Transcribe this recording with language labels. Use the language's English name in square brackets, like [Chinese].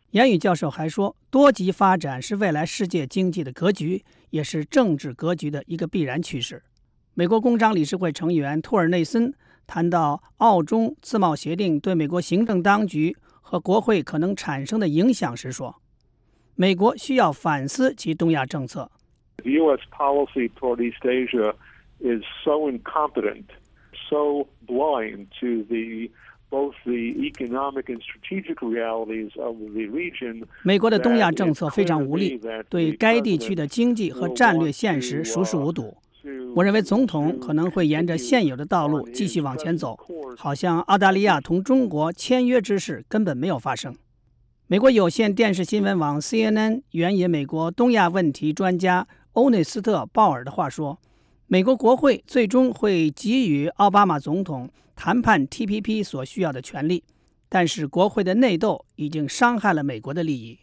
[Chinese] 严宇教授还说，多极发展是未来世界经济的格局，也是政治格局的一个必然趋势。美国工商理事会成员托尔内森谈到澳中自贸协定对美国行政当局和国会可能产生的影响时说，美国需要反思其东亚政策。 [English] The U.S. policy toward East Asia is so incompetent, so blind to both the economic and strategic realities of the region. [Chinese] 美国的东亚政策非常无力，对该地区的经济和战略现实熟视无睹。我认为总统可能会沿着现有的道路继续往前走，好像澳大利亚同中国签约之事根本没有发生。美国有线电视新闻网 CNN 援引美国东亚问题专家欧内斯特·鲍尔的话说，美国国会最终会给予奥巴马总统谈判 TPP 所需要的权利，但是国会的内斗已经伤害了美国的利益。